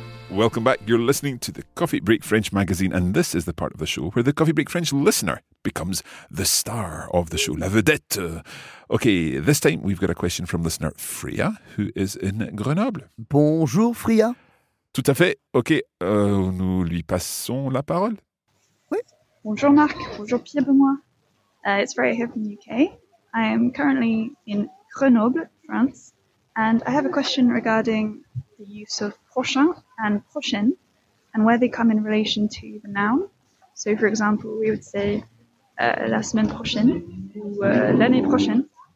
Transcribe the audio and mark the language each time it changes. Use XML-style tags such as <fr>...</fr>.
<en>Welcome back. You're listening to the Coffee Break French magazine, and this is the part of the show where the Coffee Break French listener becomes the star of the show,</en> <fr>la vedette.</fr> <en>Okay, this time we've got a question from listener Freya, who is in Grenoble.</en> <fr>Bonjour, Freya. Tout à fait. Okay, nous lui passons la parole. Oui. Bonjour, Marc. Bonjour, Pierre-Benoît.</fr> <en>It's Freya here from the UK. I am currently in Grenoble, France, and I have a question regarding the use of prochain and prochaine, and where they come in relation to the noun. So, for example, we would say</en> <fr>la semaine prochaine ou l'année prochaine.</fr>